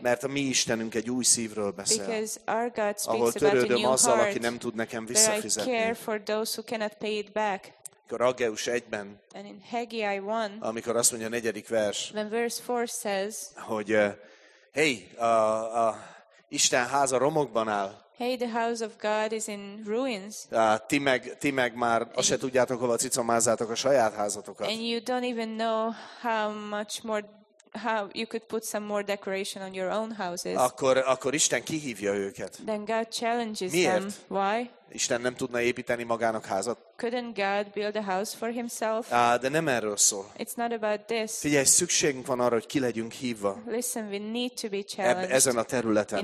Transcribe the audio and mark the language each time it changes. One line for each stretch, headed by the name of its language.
Hungarian: Mert a mi Istenünk egy új szívről beszél.
English: Because our God speaks
Hungarian: ahol törődöm azzal, aki nem tud nekem visszafizetni.
English: I care for those who cannot pay it back.
Hungarian: Amikor Ageus 1-ben,
English: and in Haggai 1,
Hungarian: amikor azt mondja a negyedik vers,
English: when verse 4 says,
Hungarian: hogy hey, Isten háza romokban áll.
English: Hey, the house of God is in ruins.
Hungarian: Ti meg már azt se tudjátok, hova cicomázzátok a saját házatokat.
English: And you don't even know how much more how you could put some more decoration on your own houses.
Hungarian: Akkor Isten kihívja őket.
English: Then God challenges
Hungarian: miért?
English: Them. Why?
Hungarian: Isten nem tudna építeni magának házat.
English: Couldn't God build a house for himself?
Hungarian: De nem erről szól.
English: It's not about this.
Hungarian: Figyelj, szükségünk van arra, hogy ki legyünk hívva.
English: Listen, we need to be challenged.
Hungarian: Ezen a területen.